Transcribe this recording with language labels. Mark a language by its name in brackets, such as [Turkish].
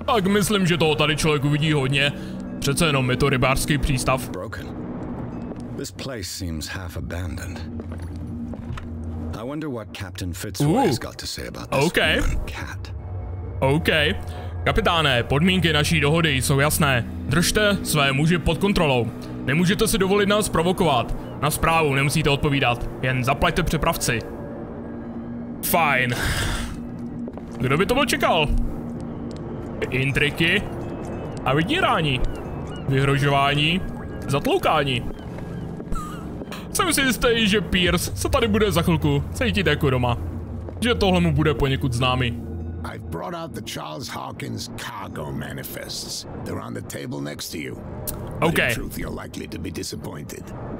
[Czech] Tak myslím, že toho tady člověk uvidí hodně. Přece jenom je to rybářský přístav. [English] Broken. This place seems half abandoned. I wonder what Captain Fitzroy has got to say about this. Okay. Cat. Okay. [Czech] Kapitáne, podmínky naší dohody jsou jasné. Držte své muže pod kontrolou. Nemůžete si dovolit nás provokovat. Na zprávu nemusíte odpovídat. Jen zaplaťte přepravci. Fajn. Kdo by to byl čekal? Intriky. A vydírání. Vyhrožování. Zatloukání. Jsem si jistý, že Pierce se tady bude za chvilku cítit jako doma. Že tohle mu bude poněkud známý. [English] I've brought out the Charles Hawkins cargo manifests. They're on the table next to you. Okay. In truth, you're likely to be disappointed.